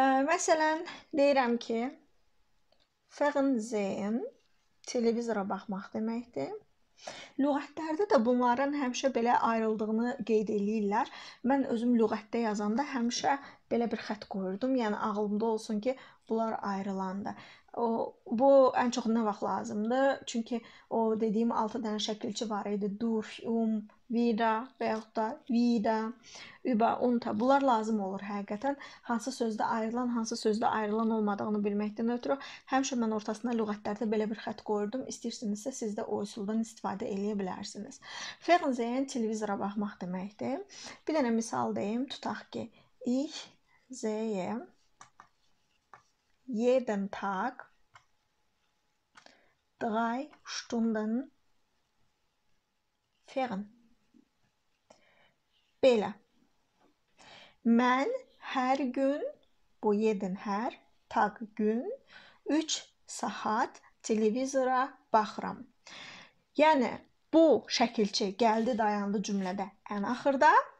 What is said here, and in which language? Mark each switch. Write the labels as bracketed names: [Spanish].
[Azerbaijani] Məsələn, deyirəm ki, Fernsehen televizora baxmaq deməkdir. Lüğətlərdə də bunların həmişə belə ayrıldığını qeyd eləyirlər. Mən özüm lüğətdə yazanda həmişə belə bir xətt qoyurdum. Yəni ağlımda olsun ki, bunlar ayrılanda. O, bu ən çox nə vaxt lazımdır? Çünki o dediyim 6 dənə şəkilçi var idi. [German] Durch, wieder [Azerbaijani] və yaxud da [German] wieder, über, unter. [Azerbaijani] Bunlar lazım olur həqiqətən. Hansı sözdə ayrılan, hansı sözdə ayrılan olmadığını bilməkdən ötürü. Həmişə mən ortasına lüğətlərdə belə bir xətt qoyurdum. İstəyirsinizsə siz də o üsuldan istifadə eləyə bilərsiniz. Fernsehen televizora baxmaq deməkdir. Bir dənə misal deyim. Tutaq ki, [German] ich sehe jeden Tag 3 Stunden fern. [Azerbaijani] Belə. Mən hər gün, bu yedin hər, tak gün, 3 saat televizora baxıram. Yəni, bu şəkilçi gəldi dayandı cümlədə ən axırda.